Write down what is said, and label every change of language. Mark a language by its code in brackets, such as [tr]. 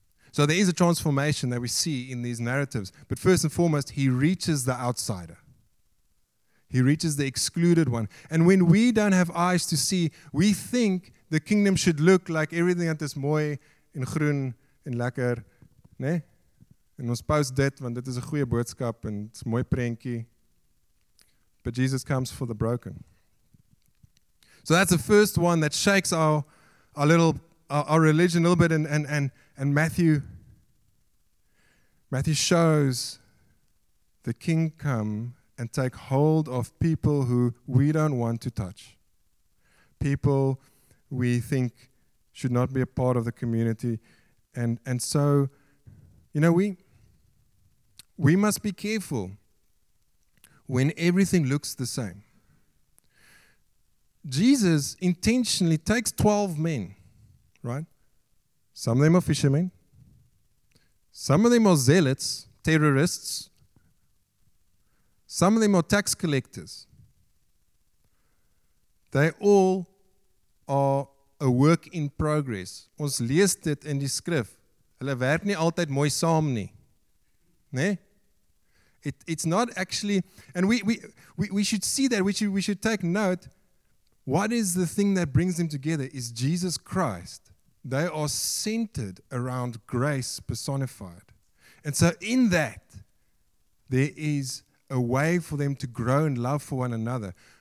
[en] So there is a transformation that we see in these narratives. But first and foremost, he reaches the outsider. He reaches the excluded one. And when we don't have eyes to see, we think the kingdom should look like everything at this [af] mooi in groen en lekker. Nee? En ons post dit, want dit is een goeie boodskap en het is mooi prentjie. [en] But Jesus comes for the broken. So that's the first one that shakes our religion a little bit, and Matthew shows the King come and take hold of people who we don't want to touch. People we think should not be a part of the community. And so, you know, we must be careful when everything looks the same. Jesus intentionally takes 12 men, right? Some of them are fishermen. Some of them are zealots, terrorists. Some of them are tax collectors. They all are a work in progress. [af] Ons lees dit in die skrif. Hulle werk nie altyd mooi saam nie. Né? [en] It's not actually, and we should see that, we should take note. What is the thing that brings them together is Jesus Christ. They are centered around grace personified. And so in that, there is a way for them to grow in love for one another.